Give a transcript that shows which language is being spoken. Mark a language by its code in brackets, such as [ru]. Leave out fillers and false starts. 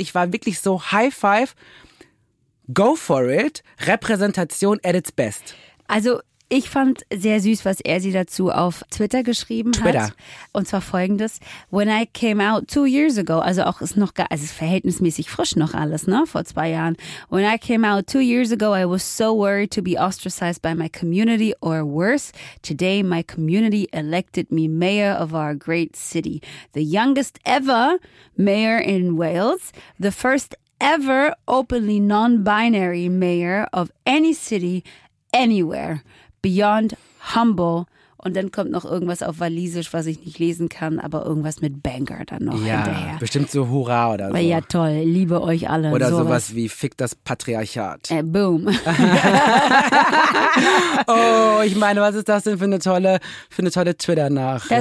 [de] Ich war wirklich so [en] high five, go for it, Repräsentation at its best. [de] Also ich fand sehr süß, was er sie dazu auf Twitter geschrieben Twitter. Hat. Und zwar folgendes: [en] When I came out 2 years ago, [de] also auch ist noch, also ist verhältnismäßig frisch noch alles, ne, vor 2 Jahren. [en] When I came out 2 years ago, I was so worried to be ostracized by my community or worse. Today my community elected me mayor of our great city. The youngest ever mayor in Wales. The first ever openly non-binary mayor of any city anywhere. Beyond humble. [de] Und dann kommt noch irgendwas auf Walisisch, was ich nicht lesen kann, aber irgendwas mit Banger dann noch hinterher. Bestimmt so Hurra oder so. Ja, toll. Liebe euch alle. Oder sowas wie Fick das Patriarchat. Boom. Oh, ich meine, was ist das denn für eine tolle Twitter-Nachricht?